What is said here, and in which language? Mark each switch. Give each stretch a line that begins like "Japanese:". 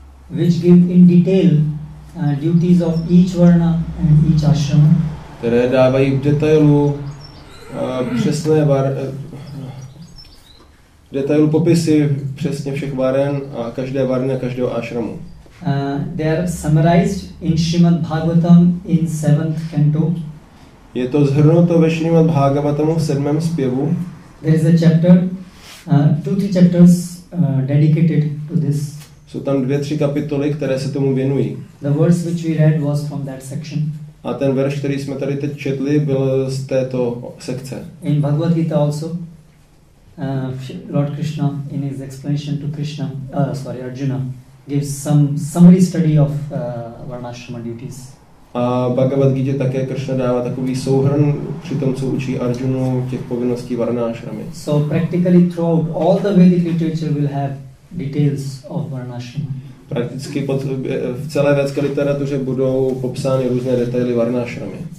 English: Which give in detail duties of each varna and each ashrama.
Czech: Které dávají v detailu přesné detailu popisy přesně všech varen a každé varny a každého ashramu.
English: They are summarized in Srimad Bhagavatam in 7th canto.
Czech: Je to zhrnuto ve Srimad Bhagavatamu v 7. zpěvu.
English: There is a chapter 2-3 chapters dedicated to this.
Czech: Jsou tam 2-3 kapitoly, které se tomu věnují.
English: The verse which we read was from that section.
Czech: A ten verš, který jsme tady teď četli, byl z této sekce.
English: In Bhagavad Gita also, Lord Krishna in his explanation to Krishna, Arjuna, gives some summary study of varnashrama duties.
Czech: A Bhagavad Gita také Krishna dává takový souhrn při tom, co učí Arjunu těch povinností varnashrami.
English: So practically throughout all the Vedic literature will have details of varnashrama.
Czech: Prakticky v celé vědecké literatuře budou popsány různé detaily varnashramy.